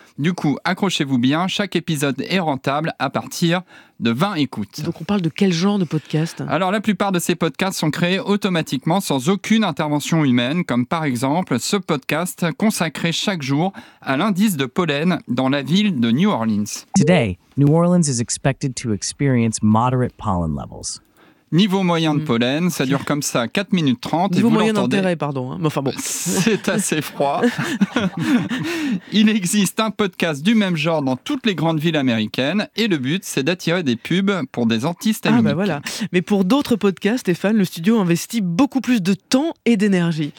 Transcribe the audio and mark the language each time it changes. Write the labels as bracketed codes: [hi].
[fr] Du coup, accrochez-vous bien, chaque épisode est rentable à partir de 20 écoutes. Donc on parle de quel genre de podcast ? Alors la plupart de ces podcasts sont créés automatiquement sans aucune intervention humaine, comme par exemple ce podcast consacré chaque jour à l'indice de pollen dans la ville de New Orleans. [en] Today, New Orleans is expected to experience moderate pollen levels. [fr] Niveau moyen de pollen, ça dure comme ça 4 minutes 30. Niveau et vous moyen l'entendez, d'intérêt, pardon. Mais enfin bon. C'est assez froid. Il existe un podcast du même genre dans toutes les grandes villes américaines et le but, c'est d'attirer des pubs pour des antihistaminiques. Ah bah voilà. Mais pour d'autres podcasts, Stéphane, le studio investit beaucoup plus de temps et d'énergie.